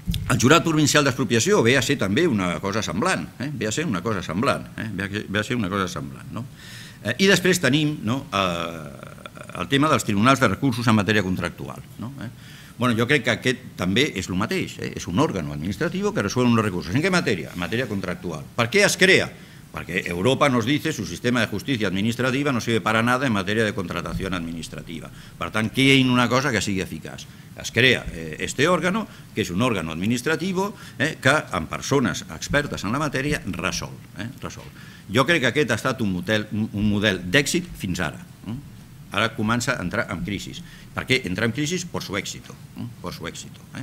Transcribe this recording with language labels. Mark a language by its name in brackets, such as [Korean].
[Catalan] El jurat provincial d'expropiació ve a ser també una cosa semblant, ve a ser una cosa semblant, ve a ser una cosa semblant, no? I després tenim, no, el tema dels tribunals de recursos en matèria contractual, no? Bueno, jo crec que aquest també és el mateix, és un òrgan administratiu que resol uns recursos. En què matèria? En matèria contractual. Per què es crea? Perquè [Spanish] Europa nos dice que su sistema de justicia administrativa no sirve para nada en materia de contratación administrativa. [Catalan] Per tant, que hi ha una cosa que sigui eficaç. Es crea [Spanish] este órgano, [Catalan] que és [Spanish] un órgano administrativo, [Catalan] que amb persones expertes en la matèria resol. Jo crec que aquest ha estat un model d'èxit fins ara. Ara comença a entrar en crisi. Per què entra en crisi? [Spanish] Por su éxito. Por su éxito.